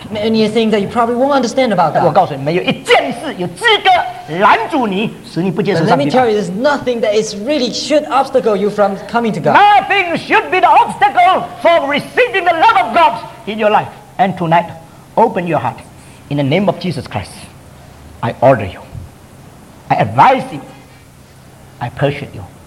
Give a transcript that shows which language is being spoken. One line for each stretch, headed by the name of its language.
English: many things that you probably won't understand about God.
Chinese: 我告诉你, 没有一件事有资格拦住你, 使你不接受上帝的爱.
English: Let me tell you, there's nothing that is really should obstacle you from coming to God. Nothing should be the obstacle for receiving the love of God in your life. And tonight, open your heart. In the name of Jesus Christ, I order you. I advise you. I persuade you.